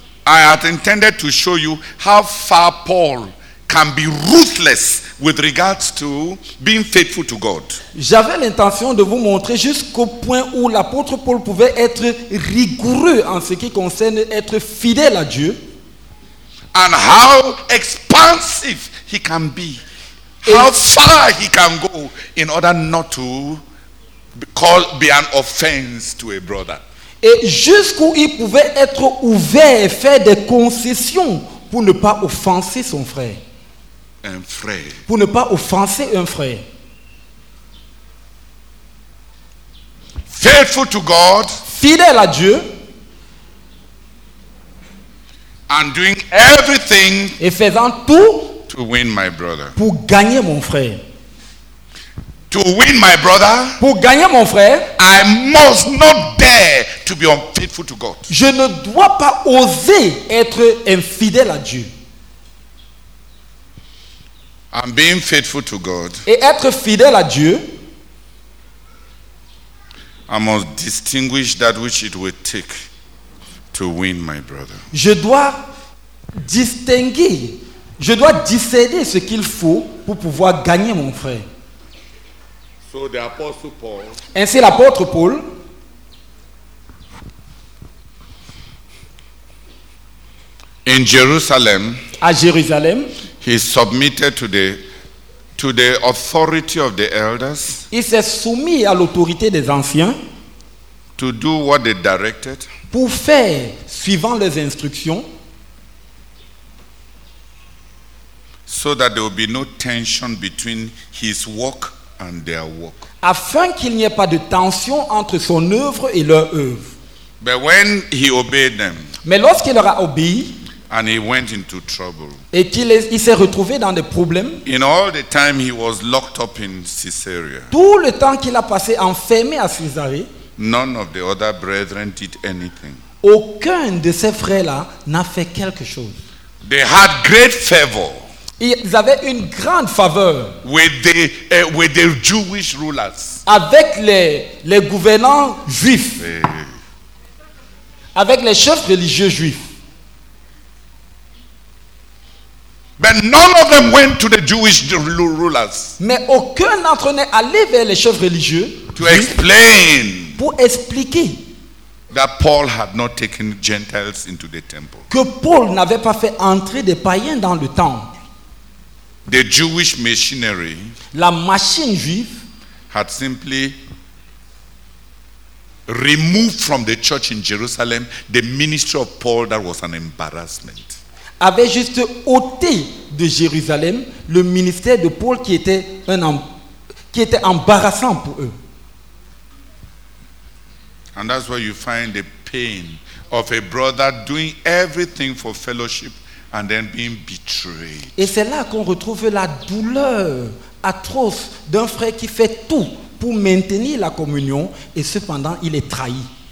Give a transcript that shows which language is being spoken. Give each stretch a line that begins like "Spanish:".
English: I had intended to show you how far Paul can be ruthless with regards to being faithful to God.
French: J'avais l'intention de vous montrer jusqu'au point où l'apôtre Paul pouvait être rigoureux en ce qui concerne être fidèle à Dieu.
English: And how expansive he can be. How far he can go in order not to be an offense to a brother.
French: Et jusqu'où il pouvait être ouvert, faire des concessions pour ne pas offenser son frère. Un frère. Pour ne pas offenser un frère.
English: Faithful to God.
French: Fidèle à Dieu.
English: And doing everything.
French: Et faisant tout.
English: To win my brother.
French: Pour gagner mon frère.
English: To win my brother.
French: Pour gagner mon frère.
English: I must not dare to be unfaithful to God.
French: Je ne dois pas oser être infidèle à Dieu.
English: I'm being faithful to God.
French: Et être fidèle à Dieu.
English: I must distinguish that which it would take to win my brother.
French: Je dois discerner ce qu'il faut pour pouvoir gagner mon frère.
English: So the apostle Paul.
French: Ainsi l'apôtre Paul.
English: In Jerusalem.
French: À Jérusalem.
English: He submitted to the authority of the elders.
French: Il s'est soumis à l'autorité des anciens.
English: To do what they directed.
French: Pour faire suivant leurs instructions.
English: So that there will be no tension between his work and their work.
French: Afin qu'il n'y ait pas de tension entre son œuvre et leur œuvre.
English: But when he obeyed them.
French: Mais lorsqu'il leur a obéi.
English: And he went into trouble.
French: Et qu'il s'est retrouvé dans des problèmes.
English: In all the time he was locked up in Caesarea.
French: Tout le temps qu'il a passé enfermé à Césarée.
English: None of the other brethren did anything.
French: Aucun de ses frères-là n'a fait quelque chose.
English: They had great favor.
French: Ils avaient une grande faveur.
English: With the Jewish rulers.
French: Avec les gouvernants juifs. Avec les chefs religieux juifs.
English: But none of them went to the Jewish rulers.
French: Mais aucun d'entre eux n'est allé vers les chefs religieux.
English: To explain.
French: Pour expliquer.
English: That Paul had not taken Gentiles into the temple.
French: Que Paul n'avait pas fait entrer des païens dans le temple.
English: The Jewish machinery.
French: La machine juive.
English: Had simply removed from the church in Jerusalem the ministry of Paul that was an embarrassment.
French: Avait juste ôté de Jérusalem le ministère de Paul qui était embarrassant pour eux.
English: And that's where you find the pain of a brother doing everything for fellowship and then being betrayed.
French: Et c'est là qu'on retrouve la douleur atroce d'un frère qui fait tout pour maintenir la communion et cependant il est trahi.